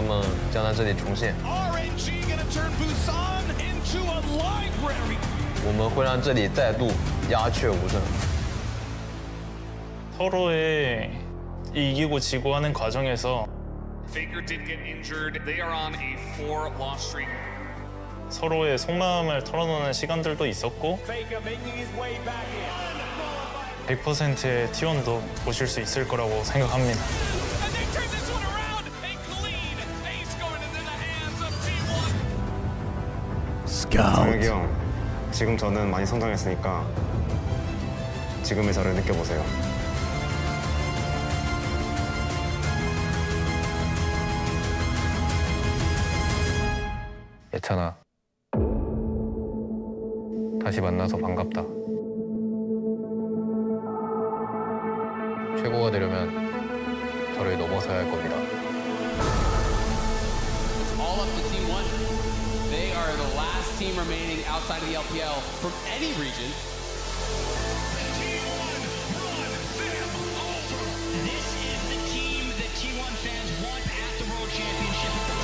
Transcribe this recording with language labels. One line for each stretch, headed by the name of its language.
Chinese: 这也是我就是因为我之前的成绩都是八强嘛，所以在八强的时候再度击败就是去年季报的这个对我来说非常有意义。你们22年釜山的噩梦将在这里重现。我们会让这里再度鸦雀无声。
Korean: 서로의 이기고 지고 하는 과정에서
English: Faker did get injured. They are on a 4 loss streak.
Korean: 서로의 속마음을 털어놓는 시간들도 있었고 100%의 T1도 보실 수 있을 거라고 생각합니다. 정혁이 형, 지금 저는 많이 성장했으니까 지금의 저를 느껴보세요. 예찬아, 다시 만나서 반갑다. 최고가 되려면 저를 넘어서야 할 겁니다.
English: Team remaining outside of the LPL from any region. This is the team that T1 fans want at the World Championship.